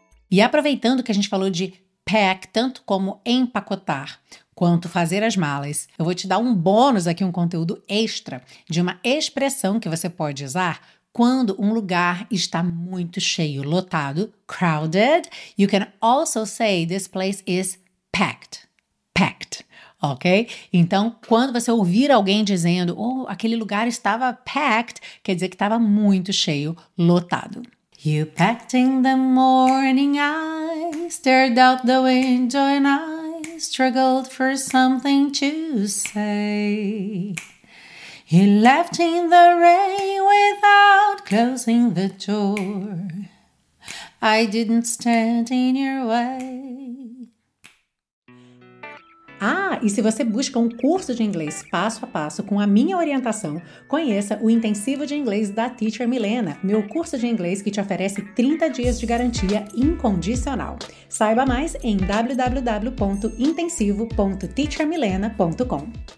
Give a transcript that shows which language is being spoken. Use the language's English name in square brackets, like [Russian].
[Portuguese] E aproveitando que a gente falou de pack, tanto como empacotar, quanto fazer as malas, eu vou te dar um bônus aqui, um conteúdo extra de uma expressão que você pode usar quando um lugar está muito cheio, lotado, crowded. [English] You can also say this place is packed, packed, ok? [Portuguese] Então, quando você ouvir alguém dizendo, oh, aquele lugar estava packed, quer dizer que estava muito cheio, lotado. [English] You packed in the morning, I stared out the window and I struggled for something to say. He left in the rain without closing the door. I didn't stand in your way. [Portuguese] Ah, e se você busca um curso de inglês passo a passo com a minha orientação, conheça o Intensivo de Inglês da Teacher Milena, meu curso de inglês que te oferece 30 dias de garantia incondicional. Saiba mais em www.intensivo.teachermilena.com.